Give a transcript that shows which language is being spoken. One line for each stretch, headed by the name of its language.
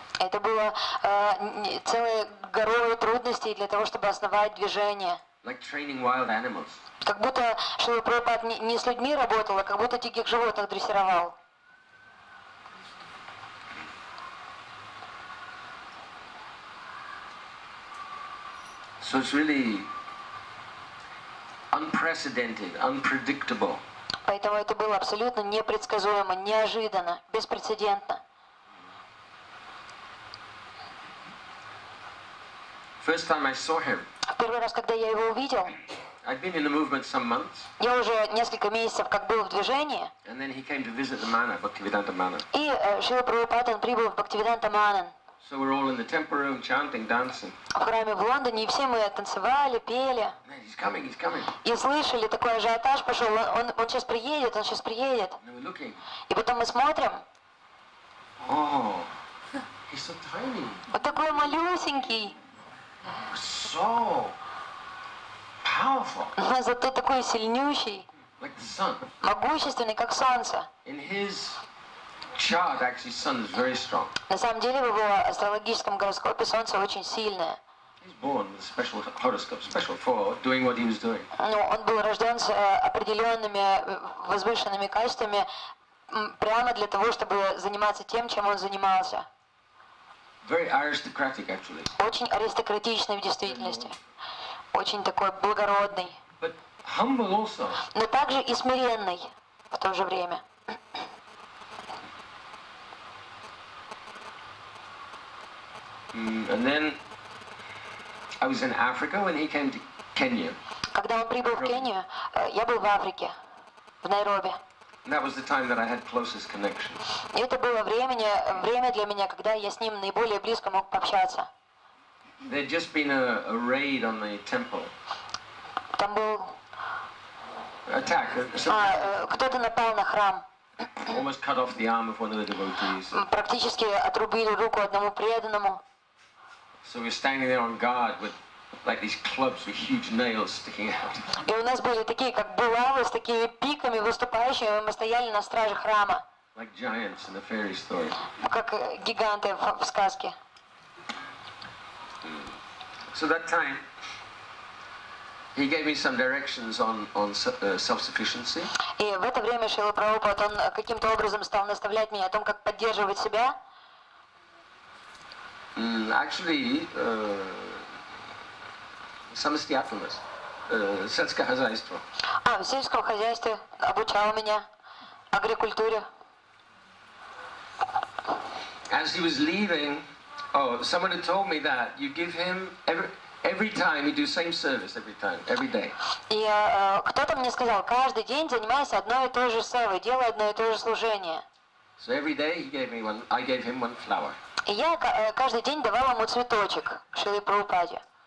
Russian: Это было целые горы трудностей для того, чтобы основать движение.
English: Like training wild animals.
Russian: Как будто Шрила Прабхупад не с людьми работал, а как будто диких животных дрессировал.
English: So it's really unprecedented, unpredictable.
Russian: Поэтому это было абсолютно непредсказуемо, неожиданно, беспрецедентно.
English: First time I saw him.
Russian: Первый раз, когда я его увидел.
English: I'd been in the movement some months.
Russian: Я уже несколько месяцев как был в движении.
English: And then he came to visit the manor, Bhaktivedanta Manor.
Russian: И Шрила Прабхупад прибыл в Бхактивиданта Манор.
English: So we're all in the temple room chanting, dancing.
Russian: В храме в Лондоне все мы танцевали, пели.
English: He's coming, he's coming.
Russian: И слышали такой ажиотаж пошел. Он сейчас приедет.
English: And we're looking.
Russian: И потом мы смотрим.
English: Oh, he's so tiny.
Russian: Вот такой малюсенький.
English: So powerful.
Russian: Но зато такой сильнющий.
English: Like the sun.
Russian: Могущественный, как солнце.
English: In his chart, actually, sun is very strong.
Russian: На самом деле, в его астрологическом гороскопе солнце очень сильное.
English: He's born with a special horoscope, special for doing what he was doing.
Russian: Ну, он был рожден с определенными возвышенными качествами прямо для того, чтобы заниматься тем, чем он занимался.
English: Very aristocratic, actually.
Russian: Очень аристократичный в действительности. Очень такой благородный.
English: But humble also.
Russian: Но также и смиренный в то же время.
English: And then I was in Africa when he came to Kenya.
Russian: Когда он прибыл в Кению, я был в Африке, в Найроби.
English: That was the time that I had closest connections.
Russian: Это было время для меня, когда я с ним наиболее близко мог пообщаться.
English: There'd just been a raid on the temple.
Russian: Там был
English: attack.
Russian: Кто-то напал на храм.
English: Almost cut off the arm of one of the devotees.
Russian: Практически отрубили руку одному преданному.
English: So we're standing there on guard with like these clubs with huge nails sticking out.
Russian: И у нас были такие как булавы с такими пиками выступающими, мы стояли на страже храма.
English: Like giants in a fairy story.
Russian: Как гиганты в сказке.
English: So that time he gave me some directions on self-sufficiency.
Russian: И в это время Шрила Прабхупад он каким-то образом стал наставлять меня о том, как поддерживать себя. Actually, самостоятельно, сельское хозяйство. А, в сельском хозяйстве обучал меня агрикультуре.
English: As he was leaving, someone had told me that you give him every time you do same service every time, every day.
Russian: И кто-то мне сказал, каждый день занимайся одной и той же сервой, делай одно и то же служение.
English: So every day he gave me one, I gave him one flower.
Russian: И я каждый день давал ему цветочек Шриле Прабхупаде.